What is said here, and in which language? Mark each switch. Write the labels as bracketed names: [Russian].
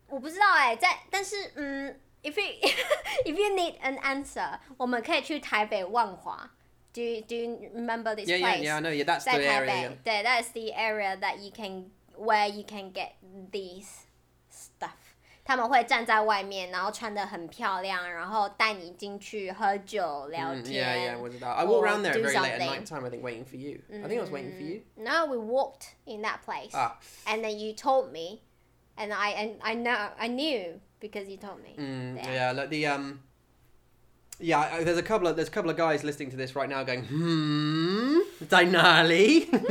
[Chinese] 我不知道耶,但是, If you need an answer, 我们可以去台北万华 [English] Do you remember this place? Yeah, I know. Yeah, that's the area. Yeah, that's the area that you can, where you can get these stuff. [Chinese] 他们会站在外面，然后穿得很漂亮，然后带你进去喝酒聊天。 [English] Yeah, I walked around there very late at night time. I think waiting for you. Mm-hmm. I think I was waiting for you. No, we walked in that place. Ah. And then you told me, and I knew because you told me. Mm, yeah, look, the Yeah, there's a couple of guys listening to this right now going, Denali.